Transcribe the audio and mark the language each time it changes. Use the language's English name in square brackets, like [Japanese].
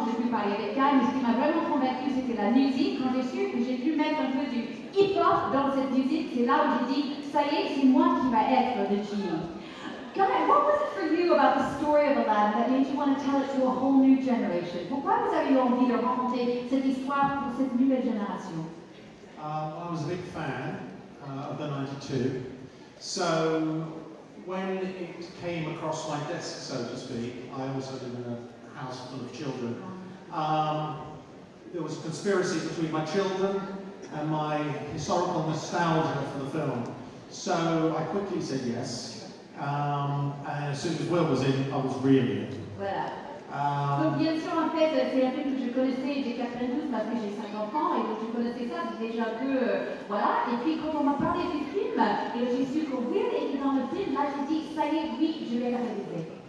[French] parler avec Guy, mais ce qui m'a vraiment convaincue, c'était la musique. Quand j'ai su que j'ai pu mettre un peu du hip-hop dans cette musique, c'est là où j'ai dit, ça y est, c'est moi qui vais être le chief. [English] Guys, what was it for you about the story of Aladdin that made you want to tell it to a whole new generation? [French] Pourquoi vous avez envie de raconter cette histoire pour cette nouvelle génération? [English] I was a big fan of the 92. So when it came across my desk, so to speak, I also live in a house full of children. There was a conspiracy between my children and my historical nostalgia for the film. So I quickly said yes. And as soon as Will was in, I was really in. [French] Donc bien sûr, en fait, c'est un film que je connaissais depuis 92 parce que j'ai 5 enfants et donc je connaissais ça déjà un peu, voilà. Et puis quand on m'a parlé du film et j'ai su que Will était dans le film, là j'ai dit, ça y est, oui, je vais la réaliser.